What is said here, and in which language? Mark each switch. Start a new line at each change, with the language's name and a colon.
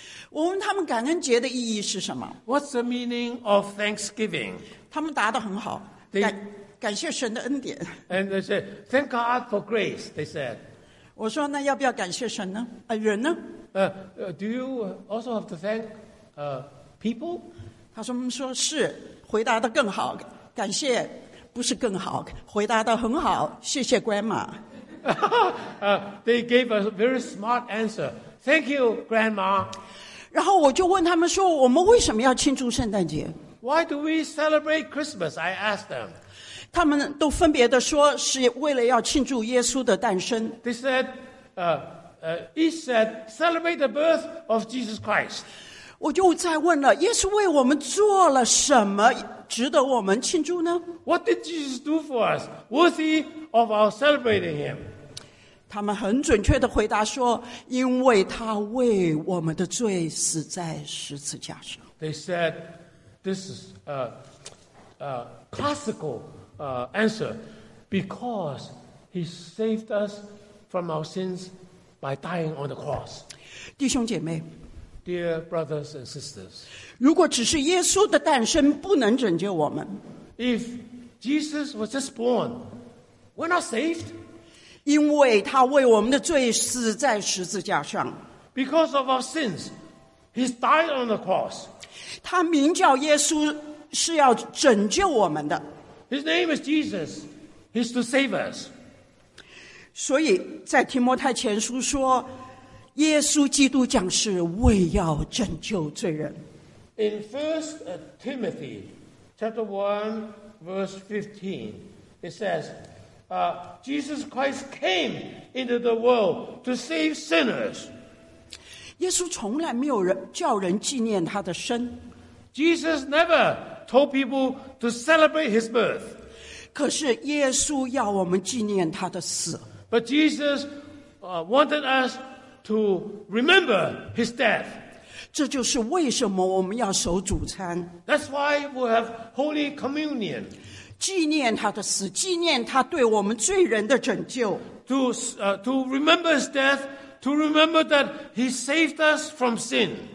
Chinese: 我问他们感恩节的意义是什么？
English: What's the meaning of Thanksgiving?
Chinese: 他们答得很好， 感谢神的恩典。
English: And they said, thank God for grace, they said.
Chinese: 我说那要不要感谢神呢？人呢？
English: Do you also have to thank people?
Chinese: 他说说是，回答得更好，感谢不是更好，回答得很好，谢谢 grandma.
English: They gave a very smart answer. Thank you, grandma.
Chinese: 然后我就问他们说，我们为什么要庆祝圣诞节？
English: Why do we celebrate Christmas? I asked them.
Chinese: 他们都分别的说，是为了要庆祝耶稣的诞生。
English: They said, each said, celebrate the birth of Jesus Christ.
Chinese: 我就再问了，耶稣为我们做了什么？值得我们庆祝呢？
English: What did Jesus do for us? Worthy of our celebrating him?
Chinese: 他们很准确地回答说，因为他为我们的罪死在十字架上。
English: They said, this is a classical answer, because he saved us from our sins by dying on the cross.
Chinese: 弟兄姐妹，
English: Dear brothers and sisters,
Chinese: 如果只是耶稣的诞生不能拯救我们。
English: If Jesus was just born, we're not saved.
Chinese: 因为他为我们的罪死在十字架上。
English: Because of our sins, He died on the cross.
Chinese: 他名叫耶稣，是要拯救我们的。
English: His name is Jesus. He's to save us.
Chinese: 所以在提摩太前书说，耶稣基督降世为要拯救罪人。
English: In 1 Timothy chapter 1, verse 15, it says, Jesus Christ came into the world to save sinners.
Chinese: 耶稣从来没有人叫人纪念他的生。
English: Jesus never told people to celebrate his birth.
Chinese: 可是耶稣要我们纪念他的死。
English: But Jesus wanted us to remember his death.
Chinese: 这就是为什么我们要守主餐。
English: That's why we have Holy Communion.
Chinese: 纪念他的死，纪念他对我们罪人的拯救。
English: To remember his death, to remember that he saved us from sin.